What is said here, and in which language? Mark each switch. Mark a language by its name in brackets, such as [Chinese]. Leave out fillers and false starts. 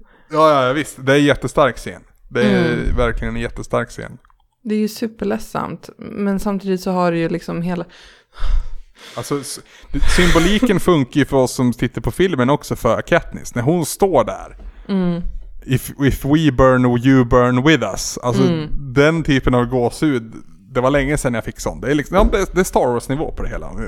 [Swedish] Ja, visst, det är en jättestark scen. Det är verkligen en jättestark scen. Det är ju superledsamt, men samtidigt så har det ju liksom hela... Alltså, symboliken funkar ju för oss som tittar på filmen också för Katniss. När hon står där. [English] If we burn, you burn with us. [Swedish] Alltså, den typen av gåshud. Det var länge sedan jag fick sånt. Det är liksom, det är Star Wars-nivå på det hela.